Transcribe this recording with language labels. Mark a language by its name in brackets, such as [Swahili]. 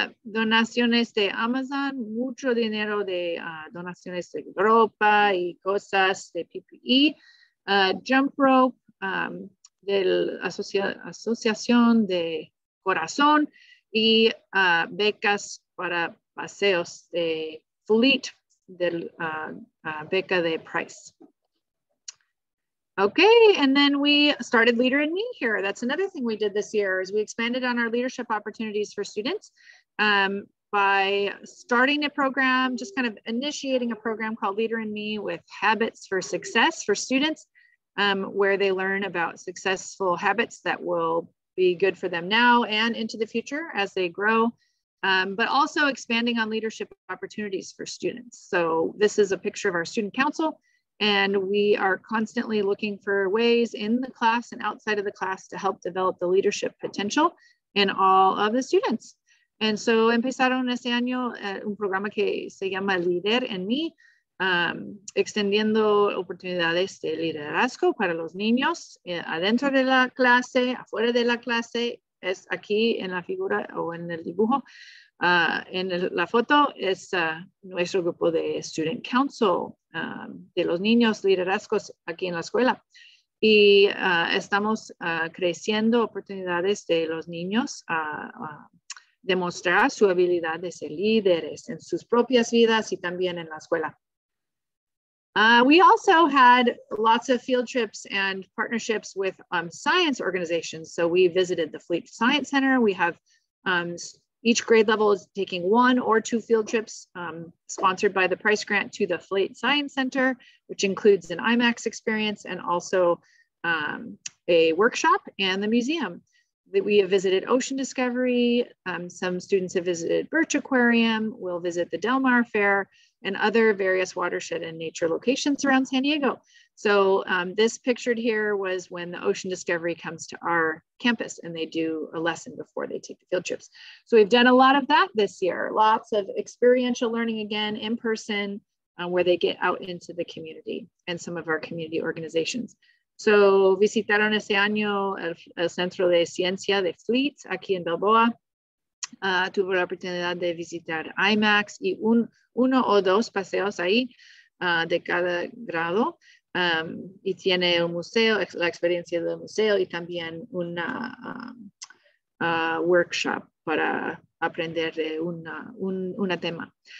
[Spanish] Donaciones de Amazon, mucho dinero de donaciones de ropa y cosas de PPE. Jump rope de la Asociación de Corazón y becas para paseos de Fleet, de beca de Price. [English] Okay, and then we started Leader in Me here. That's another thing we did this year, is we expanded on our leadership opportunities for students by starting a program, just kind of initiating a program called Leader in Me with Habits for Success for students, where they learn about successful habits that will be good for them now and into the future as they grow, but also expanding on leadership opportunities for students. So this is a picture of our student council. And we are constantly looking for ways in the class and outside of the class to help develop the leadership potential in all of the students. [Spanish] And so empezaron este año un programa que se llama Líder en Mí, extendiendo oportunidades de liderazgo para los niños adentro de la clase, afuera de la clase, es aquí en la figura o en el dibujo. En la foto es nuestro grupo de Student Council de los niños liderazgos aquí en la escuela. Y estamos creciendo oportunidades de los niños a demostrar su habilidad de ser líderes en sus propias vidas y también en la escuela. [English] We also had lots of field trips and partnerships with science organizations. So we visited the Fleet Science Center. We have each grade level is taking one or two field trips sponsored by the Price Grant to the Fleet Science Center, which includes an IMAX experience and also a workshop and the museum. That we have visited Ocean Discovery. Some students have visited Birch Aquarium. We'll visit the Del Mar Fair and other various watershed and nature locations around San Diego. So this pictured here was when the Ocean Discovery comes to our campus and they do a lesson before they take the field trips. So we've done a lot of that this year. Lots of experiential learning again in person where they get out into the community and some of our community organizations. [Spanish] So visitaron este año el Centro de Ciencia de Fleet aquí en Balboa. Tuve la oportunidad de visitar IMAX y uno o dos paseos ahí de cada grado. Y tiene un museo, la experiencia del museo y también una workshop para aprender de una tema.